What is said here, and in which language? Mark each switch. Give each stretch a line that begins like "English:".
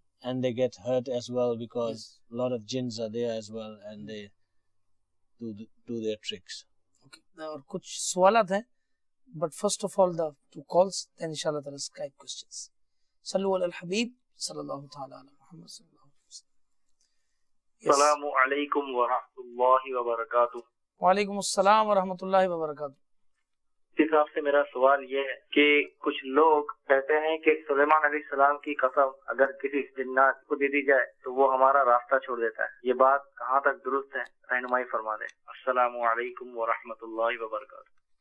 English: And they get hurt as well because a lot of jinns are there as well and they do their tricks. Okay. There are
Urdu: kuch sawalat hain,
English: but first of all, the two calls, then inshallah there are Skype questions.
Arabic: Sallu ala al-Habib, sallallahu ta'ala ala Muhammad sallam. السلام عليكم ورحمة الله وبركاته. وعليكم السلام ورحمة الله وبركاته.
Urdu: جس آپ سے میرا سوال یہ ہے کہ کچھ لوگ کہتے ہیں کہ سلیمان علیہ السلام کی قسم اگر کسی جنات کو دی جائے تو وہ ہمارا راستہ چھوڑ دیتا ہے. یہ بات کہاں تک درست ہے؟ رہنمائی فرما دیں.
Arabic: السلام علیکم ورحمة الله وبركاته.